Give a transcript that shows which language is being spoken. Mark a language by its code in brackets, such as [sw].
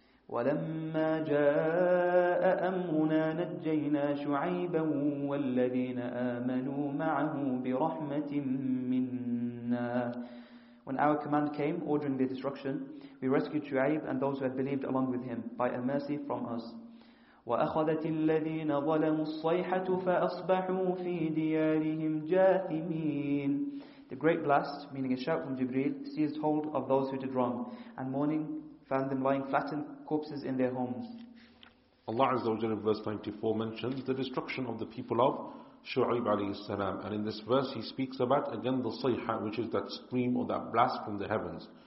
[ar] وَلَمَّا جَاءَ أَمْرُنَا نَجَّيْنَا شُعَيْبًا وَالَّذِينَ آمَنُوا مَعَهُ بِرَحْمَةٍ مِنَّا. [en] When our command came ordering the destruction, we rescued Shu'aib and those who had believed along with him by a mercy from us. [ar] وأخذت الذين ظلموا الصيحة فأصبحوا في ديارهم جاثمين. [en] The great blast, meaning a shout from Jibreel, seized hold of those who did wrong, and mourning found them lying flattened corpses in their homes. Allah Azza wa Jalla in verse 94 mentions the destruction of the people of Shu'aib alayhi salam, and in this verse he speaks about again the sayha, which is that scream or that blast from the heavens.